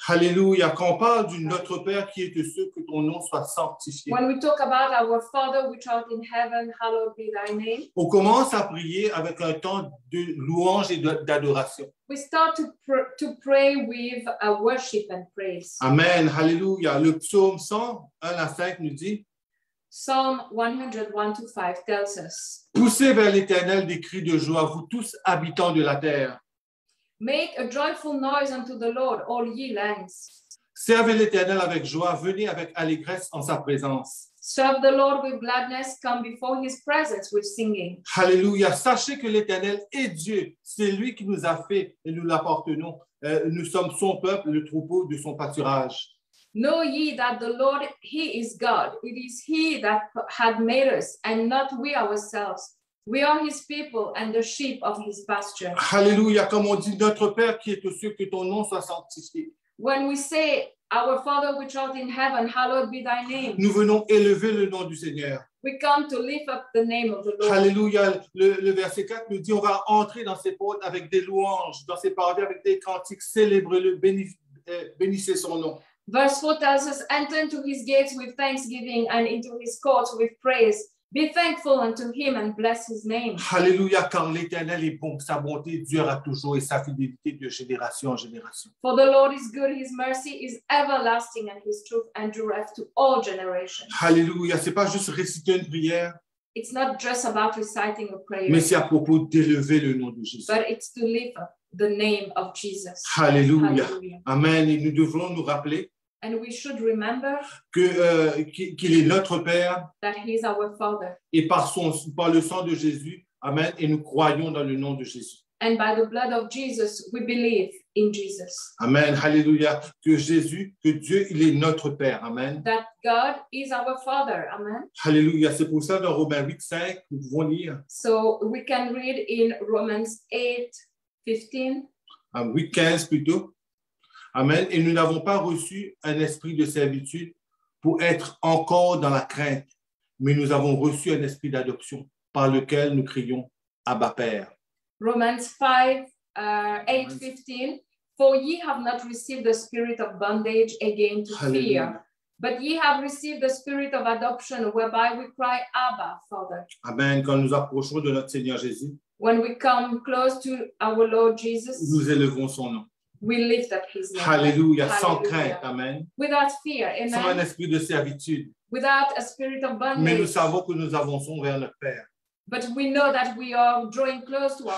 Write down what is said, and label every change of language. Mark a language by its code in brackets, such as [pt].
[fr] Alléluia. Quand on parle du Notre Père qui est de ceux que ton nom soit sanctifié. [en] When we talk about our Father which art in heaven, hallowed be thy name. [fr] On commence à prier avec un temps de louange et d'adoration. [en] We start to pray with a worship and praise. [fr] Amen. Hallelujah. Le psaume 101 à 5 nous dit. [en] Psalm 101 to 5 tells us. [fr] Poussez vers l'Éternel des cris de joie, vous tous habitants de la terre. [en] Make a joyful noise unto the Lord, all ye lands. [fr] Servez l'Éternel avec joie, venez avec allégresse en sa présence. [en] Serve the Lord with gladness, come before his presence with singing. Alléluia. [fr] Sachez que l'Éternel est Dieu. C'est lui qui nous a fait et nous l'appartenons. Nous sommes son peuple, le troupeau de son pâturage. [en] Know ye that the Lord, he is God. It is he that had made us and not we ourselves. We are his people and the sheep of his pasture. Alléluia. [fr] Comme on dit, notre Père qui est aux cieux, que ton nom soit sanctifié. [en] When we say, Our Father which art in heaven, hallowed be thy name. [fr] Nous venons élever le nom du Seigneur. [en] We come to lift up the name of the Lord. Hallelujah. [fr] Le verset 4 nous dit, on va entrer dans ses portes avec des louanges, dans ses parvis avec des cantiques, célébrez-le, bénissez son nom. [en] Verse 4 tells us, enter into his gates with thanksgiving and into his courts with praise. Be thankful unto him and bless his name. [fr] Hallelujah, car l'Éternel est bon, sa bonté durera toujours et sa fidélité de génération en génération. [en] For the Lord is good, his mercy is everlasting and his truth endureth to all generations. [fr] Hallelujah, c'est pas juste réciter une prière. [en] It's not just about reciting a prayer. [fr] Mais c'est à propos d'élever le nom de Jésus. [en] But it's to lift up the name of Jesus. Hallelujah. [fr] Amen, et nous devons nous rappeler. [en] And we should remember [fr] qu'il est notre Père. [en] That he is our Father. [fr] Et par le sang de Jésus, amen, et nous croyons dans le nom de Jésus. [en] And by the blood of Jesus, we believe in Jesus. [fr] Amen, hallelujah. Que Dieu, il est notre Père, amen. [en] That God is our Father, amen. [fr] Hallelujah, c'est pour ça dans Romains 8, 5, nous pouvons lire. [en] So we can read in Romans 8, 15. [fr] 8, 15 plutôt. Amen. Et nous n'avons pas reçu un esprit de servitude pour être encore dans la crainte, mais nous avons reçu un esprit d'adoption par lequel nous crions Abba Père. [en] Romans 5, 8, 15. For ye have not received the spirit of bondage again to Hallelujah. Fear, but ye have received the spirit of adoption, whereby we cry, Abba, Father. Amen. [fr] Quand nous approchons de notre Seigneur Jésus, [en] when we come close to our Lord Jesus, [fr] nous élevons son nom. [en] We lift up his name. [fr] Hallelujah. Sans crainte, amen. [en] Without fear, amen. [fr] Sans un esprit de servitude. [en] Without a spirit of bondage. [fr] Mais nous savons que nous avançons vers le Père. [en] But we know that we are drawing close to our